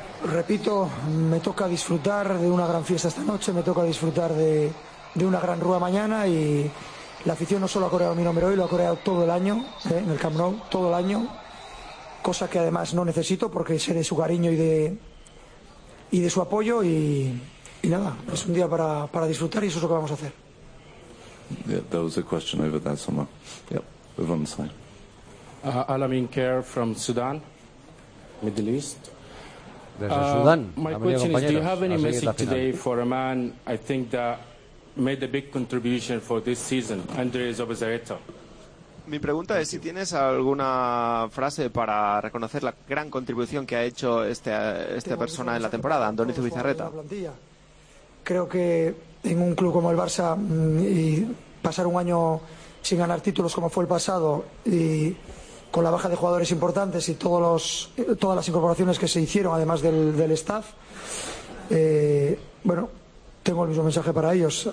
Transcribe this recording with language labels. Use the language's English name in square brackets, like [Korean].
[Spanish] Repito, me toca disfrutar de una gran fiesta esta noche, me toca disfrutar de una gran rúa mañana, y la afición no solo ha coreado mi nombre hoy, lo ha coreado todo el año, en el Camp Nou, todo el año, cosa que además no necesito porque sé de su cariño y de su apoyo, y nada, es un día para disfrutar y eso es lo que vamos a hacer. [English] Yeah, there was a question over there somewhere. Yep, we're on the side. Alamin Kerr from Sudan, Middle East. [Spanish] Sudán, [English] my question is, do you have any message today for a man I think that made a big contribution for this season, Andrés Obesareta? [Spanish] Mi pregunta es si tienes alguna frase para reconocer la gran contribución que ha hecho esta persona en la temporada, Andoni Zubizarreta. Creo que en un club como el Barça y pasar un año sin ganar títulos como fue el pasado y con la baja de jugadores importantes y todas las incorporaciones que se hicieron, además del staff, bueno, tengo el mismo mensaje para ellos.